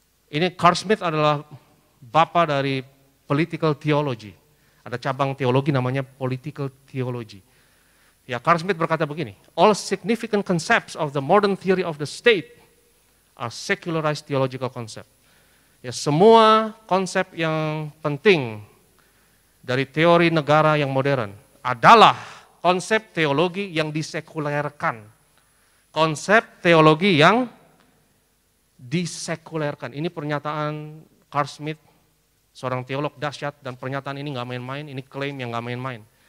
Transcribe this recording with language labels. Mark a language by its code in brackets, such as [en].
[id] Ini Carl Smith adalah bapa dari political theology. Ada cabang teologi namanya political theology. Ya, Carl Smith berkata begini, [en] all significant concepts of the modern theory of the state are secularized theological concept. [id] Ya, semua konsep yang penting dari teori negara yang modern adalah konsep teologi yang disekulerkan. Konsep teologi yang disekulerkan. Ini pernyataan Carl Smith, seorang teolog dahsyat, dan pernyataan ini gak main-main, ini klaim yang gak main-main.